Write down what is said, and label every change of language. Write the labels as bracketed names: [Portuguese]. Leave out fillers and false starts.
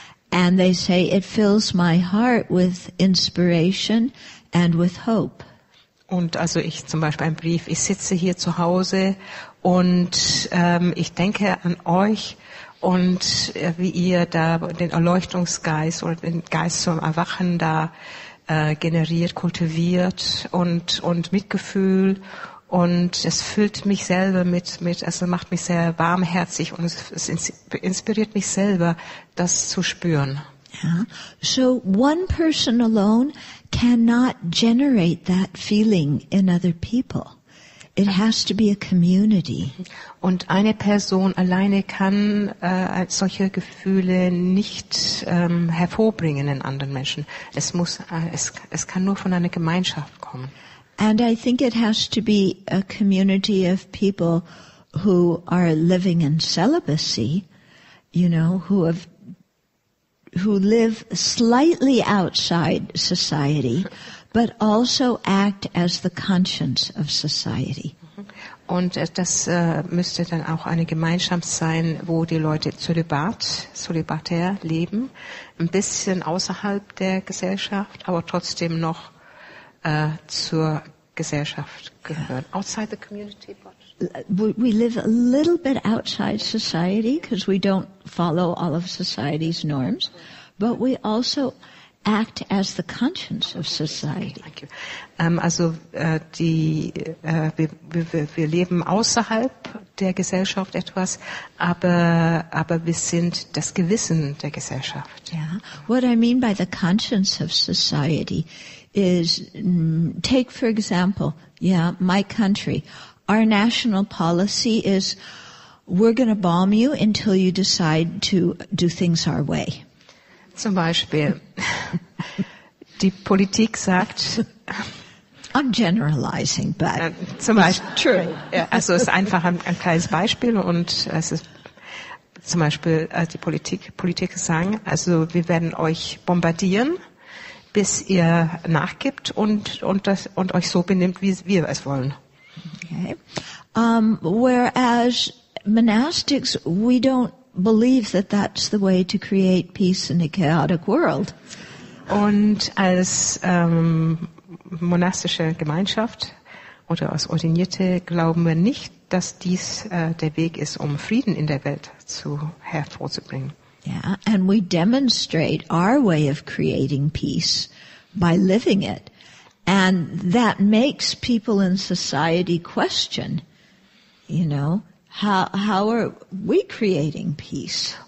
[English] And they say it fills my heart with inspiration and with hope. [German] Und also ich zum Beispiel ein Brief, ich sitze hier zu Hause und ich denke an euch. Und wie ihr da den Erleuchtungsgeist oder den Geist zum Erwachen da generiert, kultiviert und Mitgefühl. Und es füllt mich selber mit, also macht mich sehr warmherzig und es inspiriert mich selber, das zu spüren. Ja. [English] So one person alone cannot generate that feeling in other people. It has to be a community. [German] Und eine Person alleine kann solche Gefühle nicht hervorbringen in anderen Menschen. Es kann nur von einer Gemeinschaft kommen. [English] And I think it has to be a community of people who are living in celibacy, you know, who live slightly outside society, but also act as the conscience of society. [German] Und das müsste dann auch eine Gemeinschaft sein, wo die Leute zölibatär leben, ein bisschen außerhalb der Gesellschaft, aber trotzdem noch zur Gesellschaft gehören. [English] Yeah. Outside the community, but we live a little bit outside society because we don't follow all of society's norms, but we also act as the conscience of society. Okay, thank you. [German] Wir leben außerhalb der Gesellschaft etwas, aber wir sind das Gewissen der Gesellschaft. [English] Yeah. What I mean by the conscience of society is take for example, yeah, my country. Our national policy is we're going to bomb you until you decide to do things our way. [German] Zum Beispiel, die Politik sagt. [English] I'm generalizing, but [German] zum Beispiel, [English] it's true. [German] Also es ist einfach ein kleines Beispiel und es ist zum Beispiel die Politik sagen, also wir werden euch bombardieren, bis ihr nachgibt und euch so benimmt, wie wir es wollen. Okay. [English] Whereas monastics, we don't believe that that's the way to create peace in a chaotic world. [German] Und als monastische Gemeinschaft oder als Ordinierte glauben wir nicht, dass dies der Weg ist, um Frieden in der Welt hervorzubringen. [English] Yeah, and we demonstrate our way of creating peace by living it. And that makes people in society question, you know, how are we creating peace?